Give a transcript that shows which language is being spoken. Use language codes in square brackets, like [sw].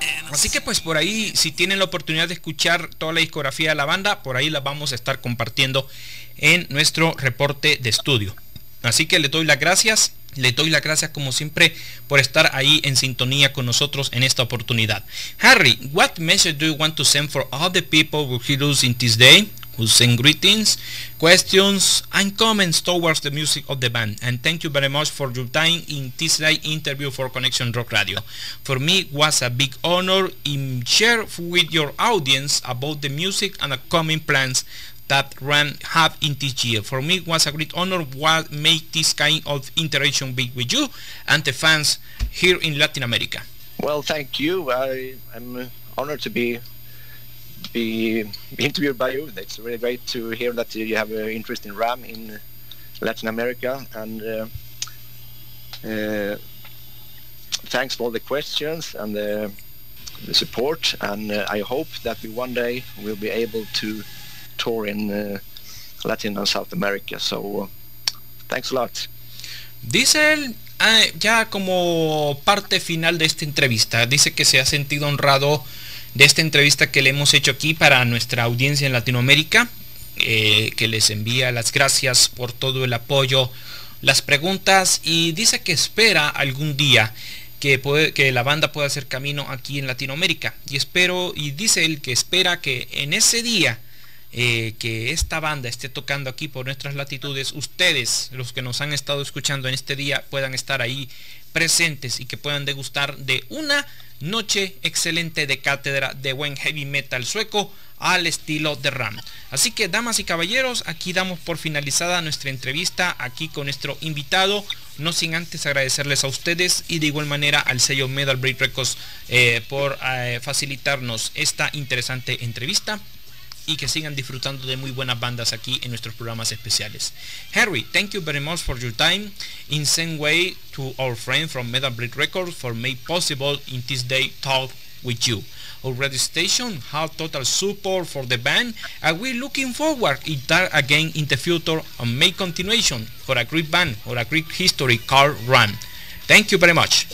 [es] Así que pues por ahí, si tienen la oportunidad de escuchar toda la discografía de la banda, por ahí la vamos a estar compartiendo en nuestro reporte de estudio. Así que le doy las gracias. Le doy las gracias como siempre por estar ahí en sintonía con nosotros en esta oportunidad. [en] Harry, what message do you want to send for all the people who hear us in this day, who send greetings, questions and comments towards the music of the band? And thank you very much for your time in this live interview for Connection Rock Radio. For me, it was a big honor in share with your audience about the music and upcoming plans that Ram have in this year. For me, it was a great honor what made this kind of interaction be with you and the fans here in Latin America. Well, thank you. I'm honored to be interviewed by you. It's really great to hear that you have an interest in Ram in Latin America. And thanks for all the questions and the support. And I hope that we one day will be able to tour in Latin and South America. So thanks a lot. [es] Diesel, ya como parte final de esta entrevista, dice que se ha sentido honrado de esta entrevista que le hemos hecho aquí para nuestra audiencia en Latinoamérica, que les envía las gracias por todo el apoyo, las preguntas, y dice que espera algún día que la banda pueda hacer camino aquí en Latinoamérica. Y dice él que espera que en ese día que esta banda esté tocando aquí por nuestras latitudes, ustedes, los que nos han estado escuchando en este día, puedan estar ahí presentes y que puedan degustar de una noche excelente de cátedra de buen heavy metal sueco al estilo de Ram. Así que, damas y caballeros, aquí damos por finalizada nuestra entrevista aquí con nuestro invitado, no sin antes agradecerles a ustedes y de igual manera al sello Metal Break Records por facilitarnos esta interesante entrevista. y que sigan disfrutando de muy buenas bandas aquí en nuestros programas especiales. [en] Harry, thank you very much for your time. In same way to our friend from Metal Blade Records for make possible in this day talk with you. Our radio station have total support for the band, and we're looking forward to that again in the future and make continuation for a great band or a great history called Run. Thank you very much.